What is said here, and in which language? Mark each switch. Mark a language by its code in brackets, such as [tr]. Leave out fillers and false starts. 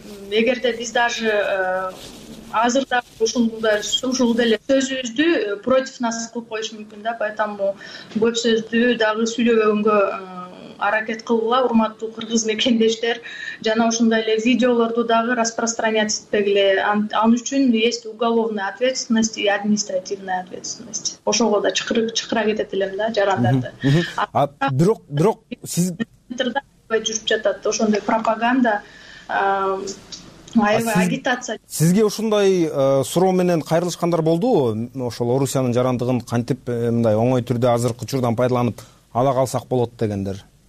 [ky] Эгерде биз даже азырда ушул деле сөзүбүздү против нас кылып коюшу мүмкүн да, поэтому көп сөздү дагы сүйлөгөнгө аракет кылгыла, урматтуу кыргыз мекендештер, жана ушундай эле видеолорду дагы распространять этпегиле. Ан үчүн [ru] есть уголовная ответственность и административная ответственность. [ky] Ошого да чакыра кетет элем да жарандарды. Бирок сиз жүрүп жатат ошондой пропаганда, аябай агитация. Сизге ушундай суроо менен кайрылышкандар болдубу? Ошол Орусиянын жарандыгын кантип мындай оңой түрдө азыркы учурдан пайдаланып ала калсак болот дегендер?